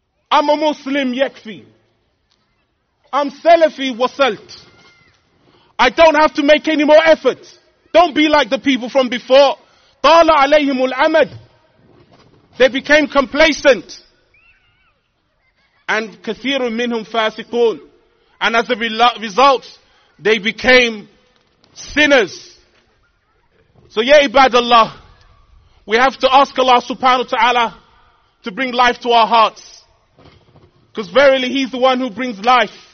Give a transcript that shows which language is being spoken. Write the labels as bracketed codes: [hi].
[en] I'm a Muslim yakfi. I'm Salafi wasalt. I don't have to make any more effort. Don't be like the people from before. [ar] طَالَ عَلَيْهِمُ الْأَمَدِ. [en] They became complacent. And [ar] كَثِيرٌ مِّنْهُمْ فَاسِقُونَ. [en] And as a result, they became sinners. So ya ibadallah, we have to ask Allah subhanahu wa ta'ala to bring life to our hearts. Because verily He's the one who brings life.